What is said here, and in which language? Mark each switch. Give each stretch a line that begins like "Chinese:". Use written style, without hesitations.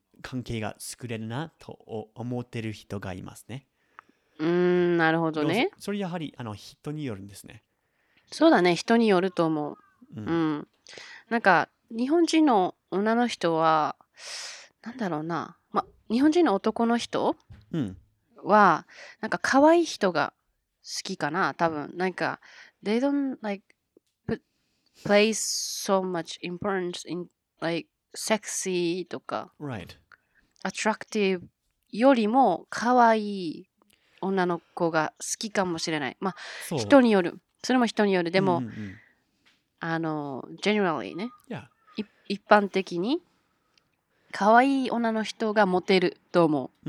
Japanese: 関係が作れるなと思ってる人がいますね。なるほどね。それやはりあの人によるんですね。そうだね、人によると思う、うん、なんか日本人の女の人はなんだろうな、ま、日本人の男の人は、うん、なんか可愛い人が好きかな、多分なんか
English: they don't like place so much importance in like sexy とか、 right.
Japanese: attractive よりも可愛い女の子が好きかもしれない。まあ人による、それも人による、でも、うんうん、あの generally ね、
English: yeah.
Japanese: 一般的に可愛い女の人がモテると思う、